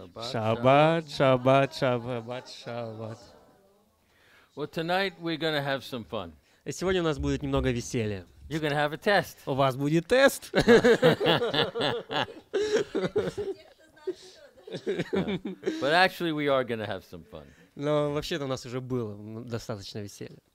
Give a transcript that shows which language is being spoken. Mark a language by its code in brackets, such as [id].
[ru] Шаббат, шаббат, шаббат, шаббат. [en] Well, tonight we're gonna have some fun. [ru] Сегодня у нас будет немного веселья. [en] You're gonna have a test. [ru] У вас будет тест. [en] But actually, we are gonna have some fun. [ru] Но вообще-то у нас уже было достаточно веселья.